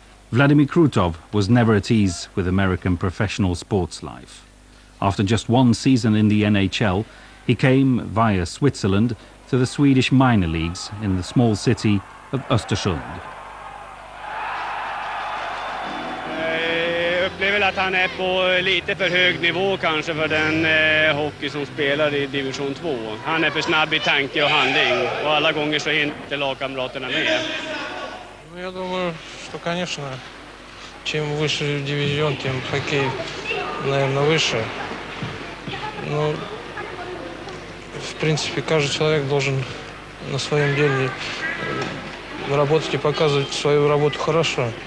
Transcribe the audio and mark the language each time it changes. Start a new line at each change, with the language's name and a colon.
English: Vladimir Krutov was never at ease with American professional sports life. After just one season in the NHL, he came via Switzerland to the Swedish minor leagues in the small city of Östersund.
Swedish: Upplever att han är på lite för hög nivå kanske för den hockey som spelar i division 2. Han är för snabb i tanke och handling och alla gånger så inte lagkamraterna med. Jag tror att
Russian: конечно, чем выше дивизион, тем хоккей, наверное, выше. Ну, в принципе, каждый человек должен на своем деле работать и показывать свою работу хорошо.